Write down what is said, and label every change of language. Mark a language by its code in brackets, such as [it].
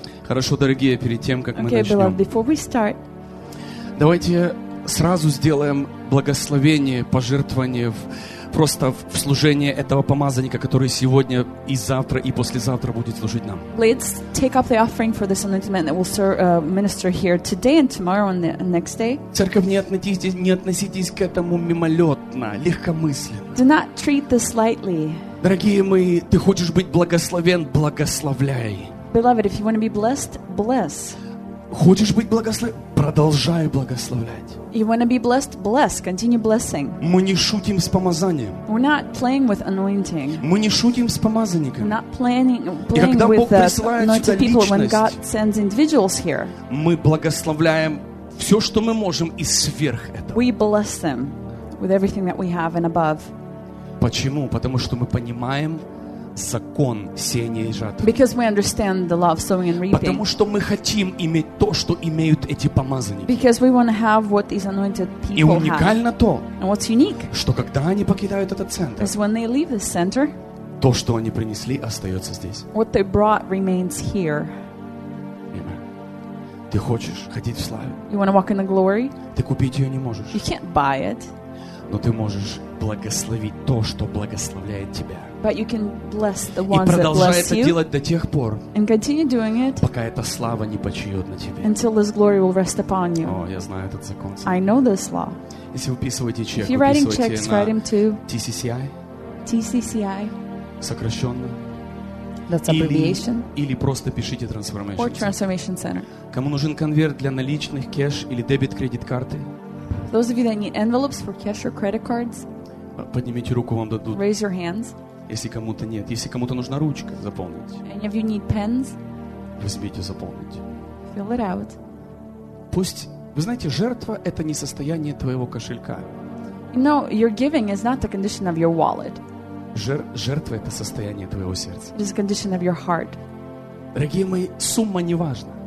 [ru] Хорошо, дорогие, перед тем, как мы начнем. [en] Okay, beloved, before we start. [ru] Давайте сразу сделаем благословение, пожертвование в просто в служение этого помазанника, который сегодня и завтра и послезавтра будет служить нам. [en] Let's take up the offering for this anointment that will serve, minister here today and tomorrow and the next day. [ru] Церковь, не относитесь к этому мимолетно, легкомысленно. [en] Do not treat this lightly. [ru] Дорогие мои, ты хочешь быть благословен, благословляй. [en] Beloved, if you want to be blessed, bless. [ru] Хочешь быть благословен? Продолжай благословлять. [en] You want to be blessed? Bless. Continue blessing. [ru] Мы не шутим с помазанием. [en] We're not playing with anointing. [ru] Мы не шутим с помазанником. [en] We're not playing with the anointed people. When God sends individuals here, [ru] мы благословляем все, что мы можем, и сверх этого. [en] We bless them with everything that we have and above. [ru] Почему? Потому что мы понимаем закон сеяния и жатвы. [en] Because we understand the law of sowing and reaping. [ru] Потому что мы хотим иметь то, что имеют эти помазанники. [en] Because we want to have what these anointed people [ru] have. И уникально то, [en] and what's unique, [ru] что когда они покидают этот центр, [en] is when they leave this center, [ru] то, что они принесли, остается здесь. [en] What they brought remains here. Amen. [ru] Ты хочешь ходить в славе? [en] You want to walk in the glory? [ru] Ты купить ее не можешь. [en] You can't buy it. [ru] Но ты можешь благословить то, что благословляет тебя. [en] But you can bless the ones [ru] И продолжай это делать до тех пор, [en] and continue doing it, [ru] пока эта слава не почиет на тебе. [en] Until this glory will rest upon you. [ru] О, я знаю этот закон. [en] I know this law. [ru] Если вы писываете чек, [en] if you're writing checks, write them to TCCI. TCCI. [ru] Сокращенно. [en] That's abbreviation. [ru] Или просто пишите Transformation [en] Center. Or Transformation Center. [ru] Кому нужен конверт для наличных, кэш или дебет-кредит карты? [en] Those of you that need envelopes for cash or credit cards, [ru] поднимите руку, вам дадут. [en] Raise your hands. [ru] Если кому-то нет, если кому-то нужна ручка заполнить. [en] And if you need pens, [ru] возьмите заполнить. [en] Fill it out. [ru] Пусть, вы знаете, жертва — это не состояние твоего кошелька. [en] No, your giving is not the condition of your wallet. [ru] Жертва — это состояние твоего сердца. [en] It is the condition of your heart. [ru] Дорогие мои, сумма не важна.